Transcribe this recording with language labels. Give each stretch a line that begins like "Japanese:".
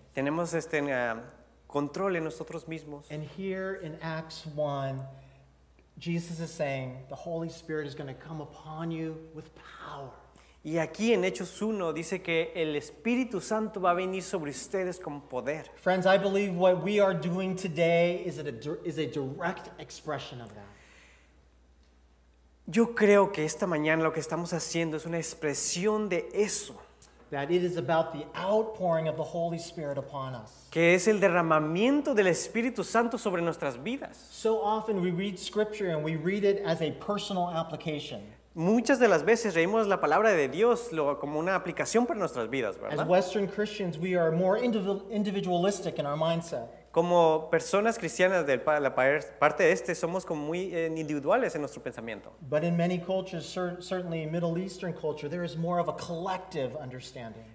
Spanish: Tenemos control en nosotros mismos.
English: And here in Acts 1, Jesus is saying, the Holy Spirit is going to come upon you with power.
Spanish: Y aquí en Hechos 1 dice que el Espíritu Santo va a venir sobre ustedes con poder.
English: Friends, I believe what we are doing today is a direct expression of that.
Spanish: Yo creo que esta mañana lo que estamos haciendo es una expresión de eso.
English: That it is about the outpouring of the Holy Spirit upon us.
Spanish: Que es el derramamiento del Espíritu Santo sobre nuestras vidas.
English: So often we read scripture and we read it as a personal application.
Spanish: Muchas de las veces leemos la palabra de Dios como una aplicación para nuestras vidas, ¿verdad?
English: As Western Christians, we are more individualistic in our mindset.
Spanish: Como personas cristianas de la parte este, somos como muy individuales en nuestro pensamiento.
English: But in many cultures, certainly Middle Eastern culture, there is more of a collective understanding.